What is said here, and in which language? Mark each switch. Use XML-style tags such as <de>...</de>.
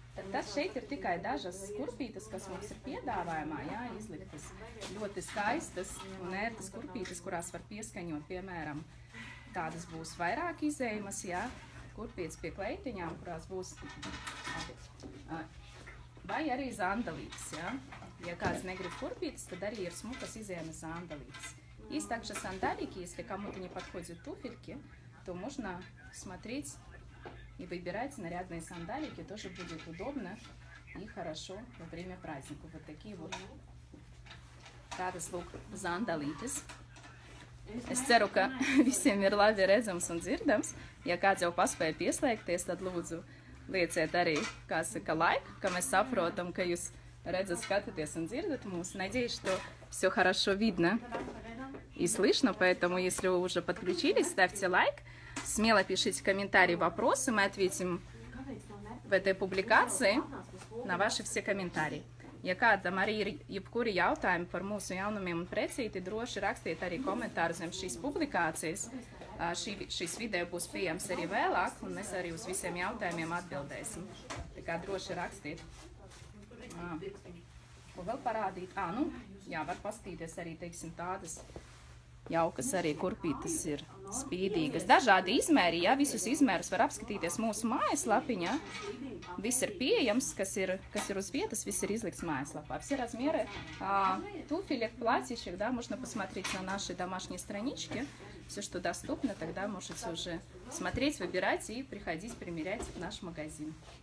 <lv>Tas šeit ir tikai dažas kurpītas, kas mums ir piedāvājumā, jā, izliktas ļoti skaistas un ērtas kurpītas, kurās var pieskaņot, piemēram, tādas būs vairāk izējumas, jā, kurpītas pie kleitiņām, kurās būs, vai arī zandalītas, jā, ja kāds negrib kurpītas, tad arī ir smukas izējumas zandalītas.</lv> <ru>Есть также сандалики, если кому-то не подходят туфельки, то можно смотреть и выбирать нарядные сандалики, тоже будет удобно и хорошо во время праздника. Вот такие вот</ru> <lv>tādas lūk zandalītes. Es ceru, ka visiem ir labi redzams un dzirdams. Ja kāds jau paspēja pieslēgties, tad lūdzu lieciet arī, kā saka, laik, ka mēs saprotam, ka jūs redzat, skatāties un dzirdat mūs.</lv> <ru>Надеюсь, что все хорошо видно. И слышно, поэтому, если вы уже подключились, ставьте лайк, смело пишите комментарии, вопросы, мы ответим в этой публикации на ваши все комментарии.</ru> <lv>Ja kādam arī ir jebkuri jautājumi par mūsu jaunumiem un precīti, droši rakstiet arī komentāru zem šīs publikācijas. Šis video būs pieejams arī vēlāk, un mēs arī uz visiem jautājumiem atbildēsim. Tā kā droši rakstiet. Ko vēl parādīt? Jā, var pastīties arī, teiksim, tādas jaukas arī kurpītas ir spīdīgas. Dažādi izmēri, jā, visus izmērus var apskatīties mūsu mājaslapiņā. Viss ir pieejams, kas ir uz vietas, viss ir izlikts mājaslapā.</lv> <ru>Все размеры туфелек, платьичек, да, можно посмотреть на нашей домашней страничке. Все, что доступно, тогда можете уже смотреть, выбирать и приходить примерять в наш магазин.</ru>